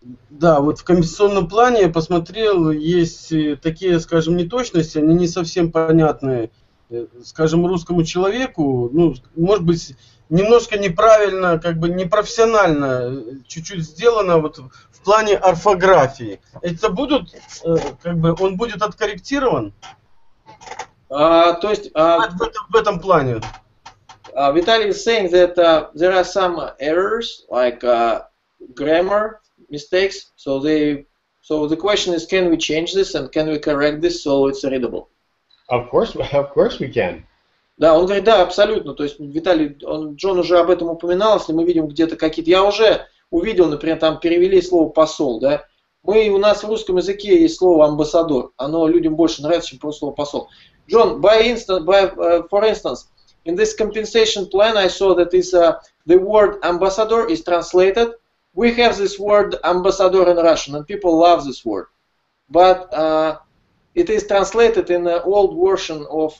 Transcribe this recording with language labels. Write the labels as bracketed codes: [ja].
[ru] Да, вот в комиссионном плане я посмотрел, есть такие, скажем, неточности, они не совсем понятные, скажем, русскому человеку. Ну, может быть, немножко неправильно, как бы непрофессионально чуть-чуть сделано вот в плане орфографии. Это будут, как бы, он будет откорректирован? То есть... В этом плане. [en] Vitaly is saying that there are some errors, like grammar mistakes. So the question is, can we change this and can we correct this so it's readable? Of course we can. [ru] Да, он говорит, да, абсолютно. То есть Vitaly, Джон уже об этом упоминал, если мы видим где-то какие-то. Я уже увидел, например, там перевели слово посол, да. Мы у нас в русском языке есть слово амбассадор. Оно людям больше нравится, чем просто слово посол. [en] Джон, for instance. In this compensation plan, I saw that is the word ambassador is translated. We have this word ambassador in Russian, and people love this word. But it is translated in the old version of...